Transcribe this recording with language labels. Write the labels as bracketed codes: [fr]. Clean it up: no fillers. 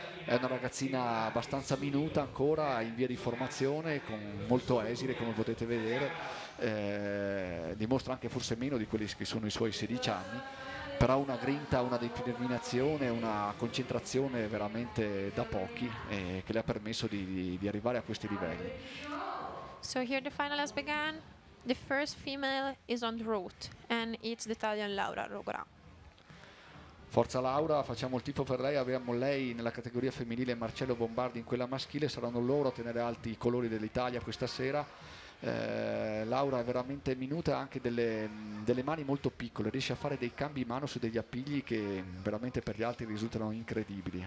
[it] È una ragazzina abbastanza minuta ancora, in via di formazione, con molto esile, come potete vedere, dimostra anche forse meno di quelli che sono i suoi 16 anni, però una grinta, una determinazione, una concentrazione veramente da pochi, che le ha permesso di arrivare a questi livelli. [en] So here the final has begun. The first female is on the route and it's the Italian Laura Rogola. [it] Forza Laura, facciamo il tifo per lei. Abbiamo lei nella categoria femminile, Marcello Bombardi in quella maschile, saranno loro a tenere alti i colori dell'Italia questa sera. Laura è veramente minuta, ha anche delle mani molto piccole, riesce a fare dei cambi mano su degli appigli che veramente per gli altri risultano incredibili.